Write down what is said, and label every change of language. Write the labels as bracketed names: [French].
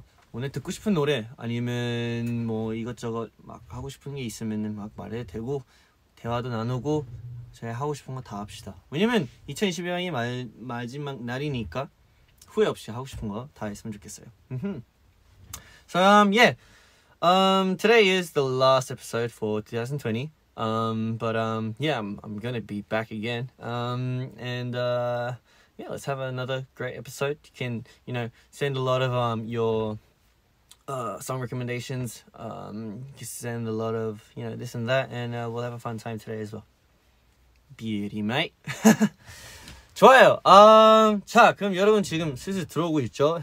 [Korean] 오늘 듣고 싶은 노래 아니면 뭐 이것저것 막 하고 싶은 게 있으면 막 말해도 되고 대화도 나누고 제가 하고 싶은 거 다 합시다. 왜냐면 2020년이 마지막 날이니까 후회 없이 하고 싶은 거 다 했으면 좋겠어요. [English] So yeah, today is the last episode for 2020. But yeah, I'm gonna be back again. Yeah, let's have another great episode. You can, you know, send a lot of your song recommendations. Just send a lot of, you know, this and that, and we'll have a fun time today as well. Beauty, mate. [Korean] 좋아요. 자, 그럼 여러분 지금 슬슬 들어오고 있죠?